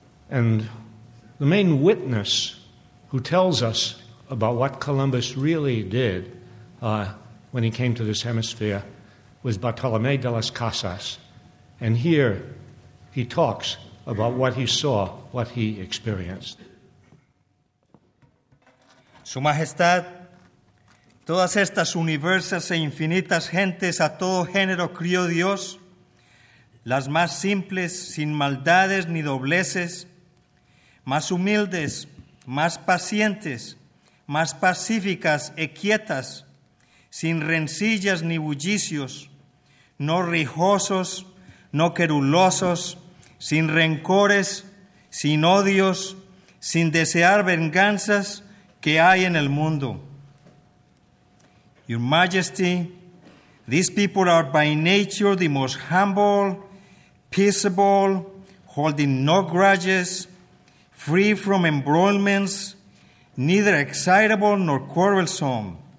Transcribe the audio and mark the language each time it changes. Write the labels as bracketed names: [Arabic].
[English] And the main witness who tells us about what Columbus really did when he came to this hemisphere was Bartolomé de las Casas. And here he talks about what he saw, what he experienced. [Spanish] Su Majestad, todas estas universas e infinitas gentes a todo género crió Dios, las más simples, sin maldades ni dobleces, más humildes, más pacientes, más pacíficas e quietas, sin rencillas ni bullicios, no rijosos, no querulosos, sin rencores, sin odios, sin desear venganzas que hay en el mundo. [English] Your Majesty, these people are by nature the most humble, peaceable, holding no grudges, free from embroilments, neither excitable nor quarrelsome.